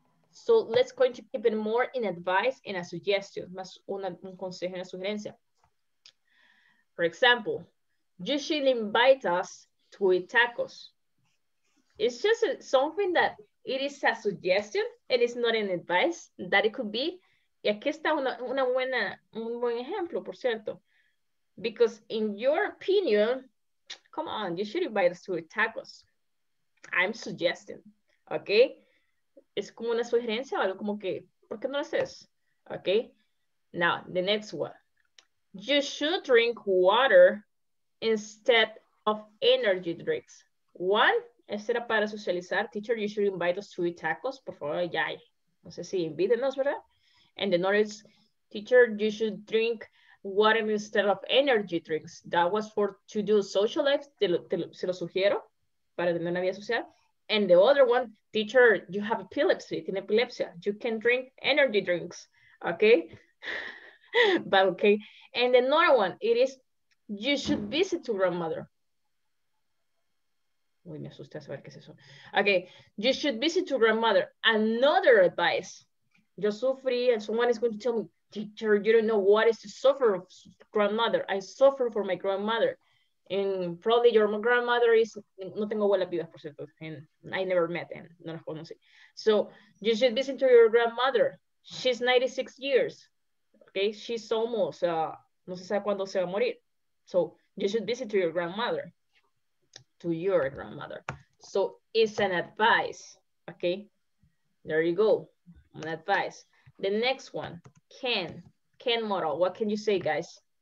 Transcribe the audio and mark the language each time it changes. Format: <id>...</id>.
<en>So let's going to keep it more in advice and a suggestion.</en> <es>Más una, un consejo, una sugerencia.</es> <en>For example, you should invite us to eat tacos. It's just a, something that it is a suggestion and it's not an advice that it could be.</en> <es>Y aquí está una, una buena, un buen ejemplo, por cierto.</es> <en>Because in your opinion, come on, you should invite us to eat tacos. I'm suggesting, okay?</en> <es>Es como una sugerencia o algo como que, ¿por qué no lo haces?</es> <en>Okay. Now, the next one. You should drink water instead of energy drinks. One,</en> <es>este era para socializar.</es> <en>Teacher, you should invite us to eat tacos.</en> <es>Por favor, ya. No sé si invítenos, ¿verdad?</es> <en>And the other is, teacher, you should drink water instead of energy drinks. That was for to do social life.</en> <es>Se lo sugiero para tener una vida social.</es> <en>And the other one, teacher, you have epilepsy,</en> <es>tiene epilepsia.</es> <en>You can drink energy drinks, okay? But okay. And another one, it is, you should visit your grandmother.</en> <es>Uy, me asusté a saber qué es eso.</es> <en>Okay, you should visit your grandmother. Another advice,</en> <es>yo sufrí,</es> <en>and someone is going to tell me, teacher, you don't know what is to suffer of grandmother. I suffer for my grandmother. And probably your grandmother is,</en> <es>no tengo abuela viva, por cierto,</es> <en>and I never met him,</en> <es>no la conocí.</es> <en>So you should listen to your grandmother. She's 96 years, okay? She's almost,</en> <es>no se sabe cuándo se va a morir.</es> <en>So you should listen to your grandmother, to your grandmother. So it's an advice, okay? There you go, an advice. The next one, can model, what can you say, guys?</en>